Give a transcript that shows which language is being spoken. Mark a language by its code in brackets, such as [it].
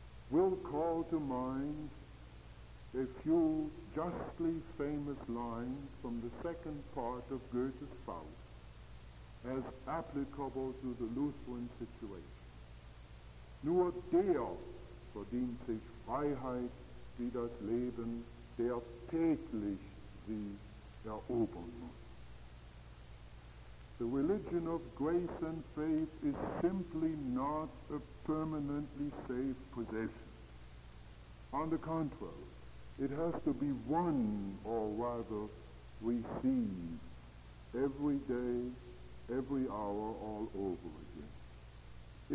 [en] will call to mind a few justly famous lines from the second part of Goethe's Faust as applicable to the Lutheran situation. [de] Nur der verdient sich Freiheit, die das Leben, der täglich sie erobern muss. [en] The religion of grace and faith is simply not a permanently safe possession. On the contrary, it has to be won, or rather, received every day, every hour, all over again.